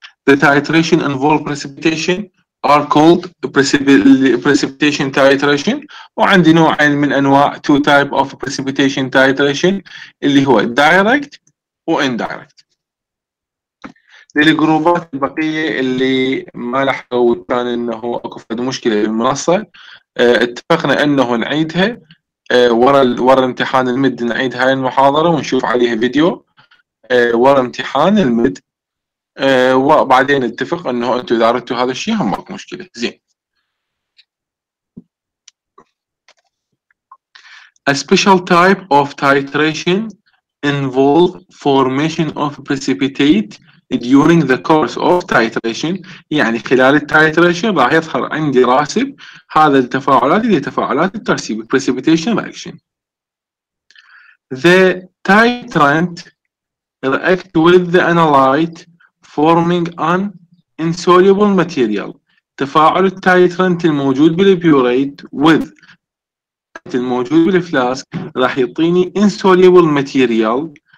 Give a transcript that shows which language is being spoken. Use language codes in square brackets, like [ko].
[en] The titration involve precipitation are called precipitation titration، [ar] وعندي نوعين من انواع [en] two type of precipitation titration اللي هو direct و indirect. [ar] للجروبات البقية اللي ما لحقوا وكان انه اكو مشكلة بالمنصة، اتفقنا انه نعيدها ورا امتحان المد، نعيد هاي المحاضرة ونشوف عليها فيديو ورا امتحان المد، وبعدين نتفق انه انتو اذا اردتوا هذا الشيء هم اكو مشكلة. زين. [en] A special type of titration involve formation of precipitate during the course of titration، [ar] يعني خلال التايتريشن راح يظهر عندي راسب. هذا التفاعلات اللي تفاعلات الترسيب precipitation reaction. [en] The titrant react with the analyte forming an insoluble material. [ar] تفاعل التايتريشن الموجود بالبيوريت with الموجود بالفلاسك راح يعطيني insoluble material.